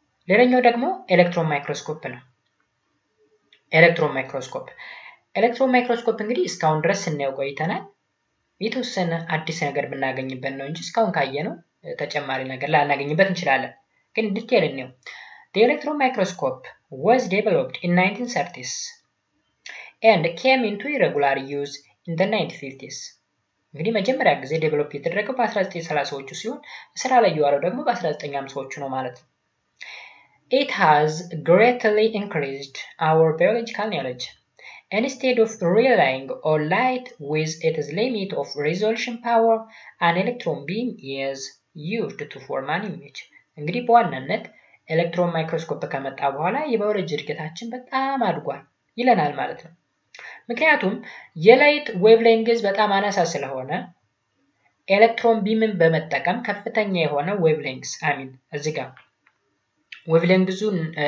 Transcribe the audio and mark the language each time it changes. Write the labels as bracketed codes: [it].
[am] ሌላኛው ደግሞ ኤሌክትሮን ማይክሮስኮፕ ነው። ኤሌክትሮን ማይክሮስኮፕ እንግዲህ እስካሁን ድረስ እናየው ቆይተናል። የተወሰነ አዲስ ነገር ብናገኝበት ነው እንጂ እስካሁን ካየነው ተጨማሪ ነገር ላናገኝበት እንችላለን። ግን ዲቴል ነው። [en] ዘ ኤሌክትሮን ማይክሮስኮፕ ዋዝ ዴቨሎፕድ ኢን 1930ስ and came into irregular use in the 1950s. [am] እንግዲህ መጀመሪያ ጊዜ ዴቨሎፕ የተደረገው በ1930ዎቹ ሲሆን ስራ ላይ የዋለው ደግሞ በ1950ዎቹ ነው ማለት ነው። [en] It has greatly increased our biological knowledge. Instead of relying on light with its limit of resolution power, an electron beam is used to form an image. [am] እንግዲህ በዋናነት ኤሌክትሮን ማይክሮስኮፕ ከመጣ በኋላ የባዮሎጂ እድገታችን በጣም አድጓል ይለናል ማለት ነው። ምክንያቱም የላይት ዌቭሌንግዝ በጣም አናሳ ስለሆነ ኤሌክትሮን ቢምን በመጠቀም ከፍተኛ የሆነ ዌቭሌንግዝ እዚህ ጋር ዌቭሌንግዙን